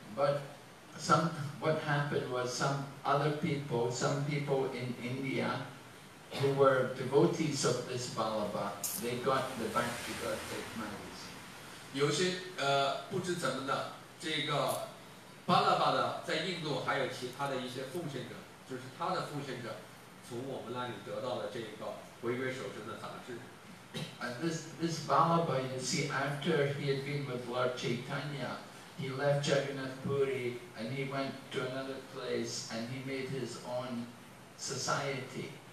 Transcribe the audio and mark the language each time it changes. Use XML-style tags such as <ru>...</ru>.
<en>But what happened was some people in India who were devotees of this Balabha, they got the Bhakti magazine.</en> <zh>有些不知怎么的，这个巴拉巴的在印度还有其他的一些奉献者。就是他的奉献者从我们那里得到了这个回归守贞的杂志。</zh> <en>And this Balabha, you see, after he had been with Lord Chaitanya, he left Jagannath Puri and he went to another place and he made his own society.</en>